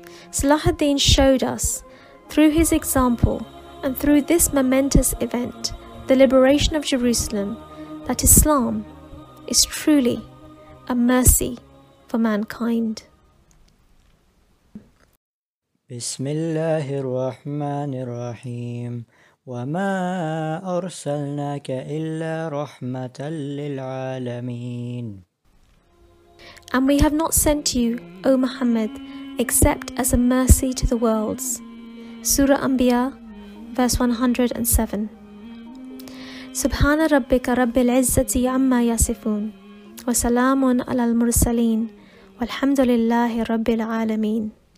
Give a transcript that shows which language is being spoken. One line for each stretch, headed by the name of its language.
English: Salah ad-Din showed us, through his example and through this momentous event, the liberation of Jerusalem, that Islam is truly a mercy for mankind.
Arabic: بسم الله الرحمن الرحيم وما أرسلناك إلا رحمة للعالمين.
English: And we have not sent you, O Muhammad, except as a mercy to the worlds. Surah Anbiya, verse 107.
Arabic: سبحان ربك رب العزة عما يصفون وسلام على المرسلين والحمد لله رب العالمين.